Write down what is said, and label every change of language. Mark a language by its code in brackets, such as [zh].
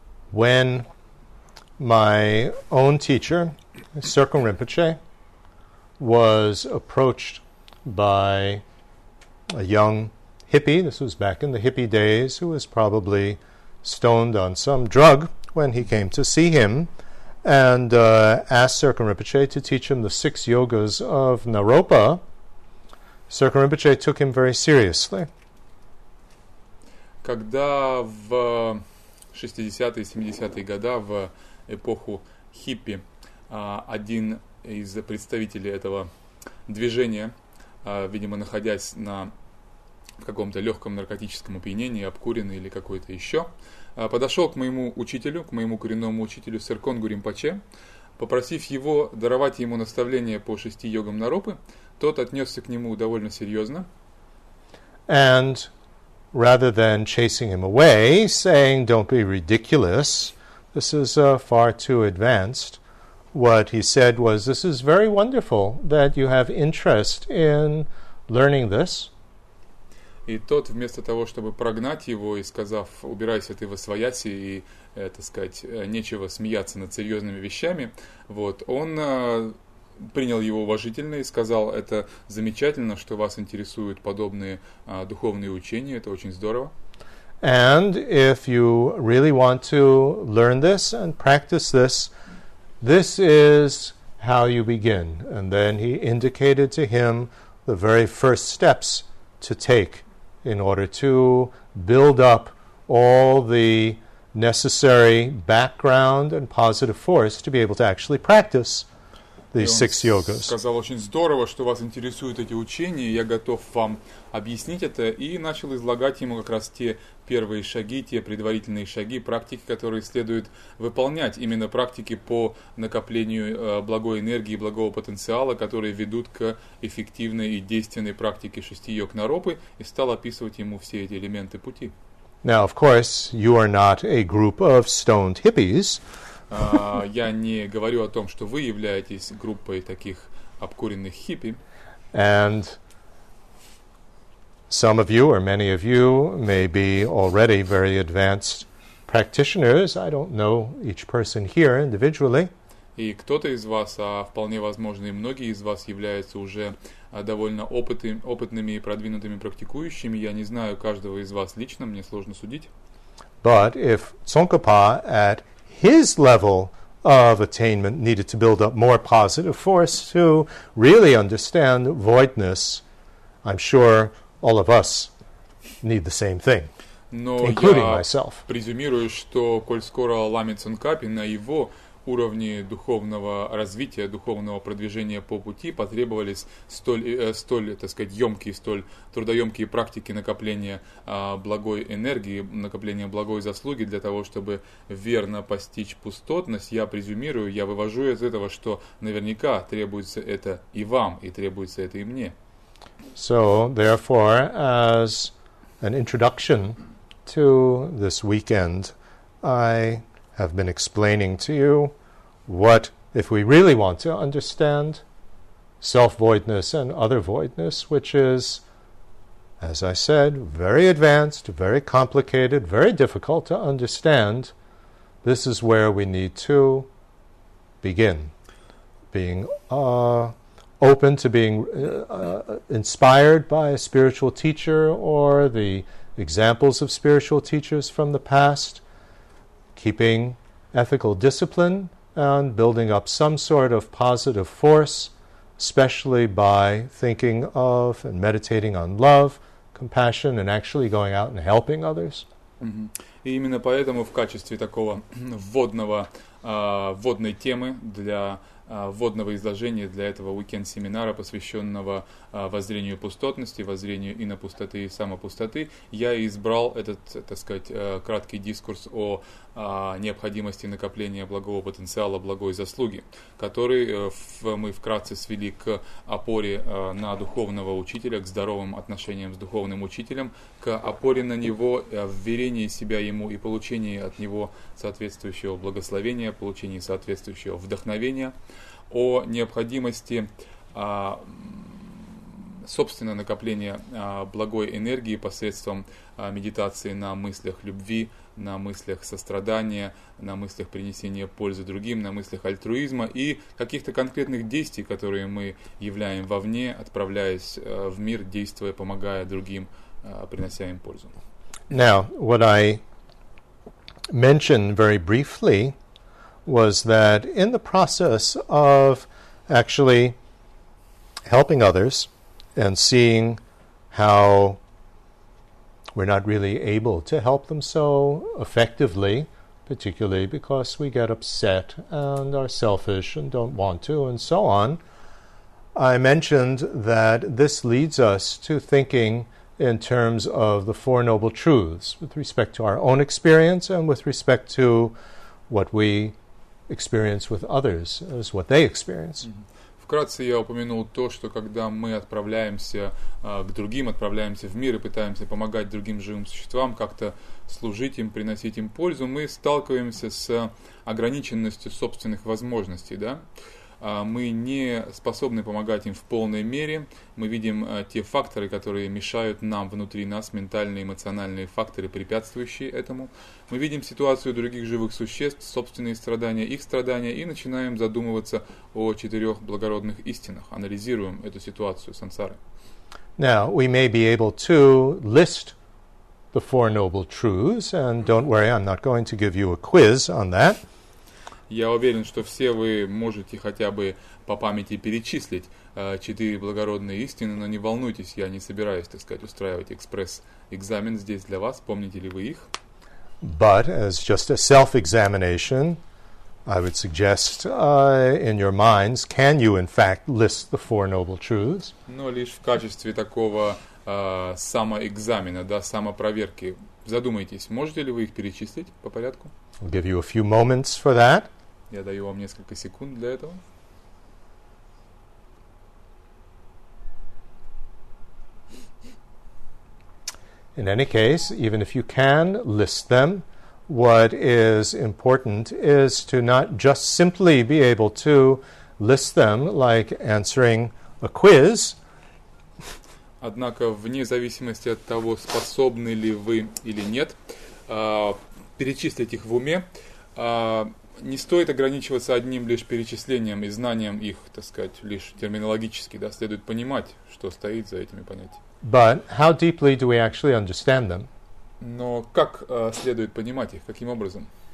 [en] When my own teacher, Sirkun Rinpoche, was approached by a young hippie, this was back in the hippie days, who was probably stoned on some drug when he came to see him and asked Sirkun Rinpoche to teach him the six yogas of Naropa, Sirkun Rinpoche took him very seriously. [ru] Когда в 60-е и 70-е годы, в эпоху хиппи, один из представителей этого движения, видимо, находясь в каком-то легком наркотическом опьянении, обкуренный или какой-то еще, подошел к моему учителю, к моему коренному учителю Сиркунгу Ринпоче, попросив его даровать ему наставление по шести йогам Наропы, тот отнесся к нему довольно серьезно. [en] And rather than chasing him away, saying, "Don't be ridiculous, this is far too advanced," what he said was, "This is very wonderful that you have interest in learning this." [ru] И тот, вместо того, чтобы прогнать его и сказав, убирайся ты во свояси и, так сказать, нечего смеяться над серьезными вещами, вот, он принял его уважительно и сказал, это замечательно, что вас интересуют подобные духовные учения, это очень здорово. [en] And if you really want to learn this and practice this, this is how you begin. And then he indicated to him the very first steps to take in order to build up all the necessary background and positive force to be able to actually practice these six yogas. [ru] Он сказал, очень здорово, что вас интересуют эти учения, я готов вам объяснить это, и начал излагать ему как раз те первые шаги, те предварительные шаги, практики, которые следует выполнять, именно практики по накоплению благой энергии, благого потенциала, которые ведут к эффективной и действенной практике шести йог Наропы, и стал описывать ему все эти элементы пути. [en] Now, of course, you are not a group of stoned hippies. [ru] Я не говорю о том, что вы являетесь группой таких обкуренных хиппи. [en] And some of you, or many of you, may be already very advanced practitioners. I don't know each person here individually. [ru] И кто-то из вас, а вполне возможно и многие из вас, являются уже довольно опытными и продвинутыми практикующими. Я не знаю каждого из вас лично, мне сложно судить. [en] But if Tsongkhapa at his level of attainment needed to build up more positive force to really understand voidness, I'm sure all of us need the same thing, including myself. [ru] Но я презюмирую, что коль скоро Ламе Цункапе на его уровне духовного развития, духовного продвижения по пути потребовались столь, так сказать, ёмкие, столь трудоёмкие практики накопления благой энергии, накопления благой заслуги для того, чтобы верно постичь пустотность, я презюмирую, я вывожу из этого, что наверняка требуется это и вам, и требуется это и мне. [en] So, therefore, as an introduction to this weekend, I have been explaining to you what, if we really want to understand self-voidness and other voidness, which is, as I said, very advanced, very complicated, very difficult to understand, This is where we need to begin, being open to being inspired by a spiritual teacher or the examples of spiritual teachers from the past, keeping ethical discipline and building up some sort of positive force, especially by thinking of and meditating on love, compassion, and actually going out and helping others. [ru] И именно поэтому в качестве такого вводного, вводной темы для вводного изложения для этого уикенд-семинара, посвященного воззрению пустотности, воззрению инопустоты и самопустоты, я избрал этот, так сказать, краткий дискурс о необходимости накопления благого потенциала, благой заслуги, который мы вкратце свели к опоре на духовного учителя, к здоровым отношениям с духовным учителем, к опоре на него, вверении себя ему и получении от него соответствующего благословения, получении соответствующего вдохновения, о необходимости собственно накопления благой энергии посредством медитации на мыслях любви, на мыслях сострадания, на мыслях принесения пользы другим, на мыслях альтруизма и каких-то конкретных действий, которые мы являем вовне, отправляясь в мир, действуя, помогая другим, принося им пользу. [en] Now, what I mentioned very briefly was that in the process of actually helping others and seeing how we're not really able to help them so effectively, particularly because we get upset and are selfish and don't want to and so on, I mentioned that this leads us to thinking in terms of the Four Noble Truths with respect to our own experience and with respect to what we experience with others as what they experience. [ru] Вкратце я упомянул то, что когда мы отправляемся к другим, отправляемся в мир и пытаемся помогать другим живым существам, как-то служить им, приносить им пользу, мы сталкиваемся с ограниченностью собственных возможностей, да? Мы не способны помогать им в полной мере. Мы видим те факторы, которые мешают нам внутри нас, ментальные, эмоциональные факторы, препятствующие этому. Мы видим ситуацию других живых существ, собственные страдания, их страдания, и начинаем задумываться о четырех благородных истинах. Анализируем эту ситуацию сансары. [en] Now, we may be able to list the Four Noble Truths, and don't worry, I'm not going to give you a quiz on that. [ru] Я уверен, что все вы можете хотя бы по памяти перечислить четыре благородные истины, но не волнуйтесь, я не собираюсь, так сказать, устраивать экспресс-экзамен здесь для вас. Помните ли вы их? [en] But as just a self-examination, I would suggest in your minds, can you in fact list the Four Noble Truths? [ru] Но лишь в качестве такого самоэкзамена, да, самопроверки. Задумайтесь, можете ли вы их перечислить по порядку? [en] I'll give you a few moments for that. [ru] Я даю вам несколько секунд для этого. [en] In any case, even if you can list them, what is important is to not just simply be able to list them like answering a quiz. [ru] Однако, вне зависимости от того, способны ли вы или нет, перечислить их в уме, не стоит ограничиваться одним лишь перечислением и знанием их, так сказать, лишь терминологически, да, следует понимать, что стоит за этими понятиями. [en] But how deeply do we actually understand them? [ru] Но как следует понимать их, каким образом?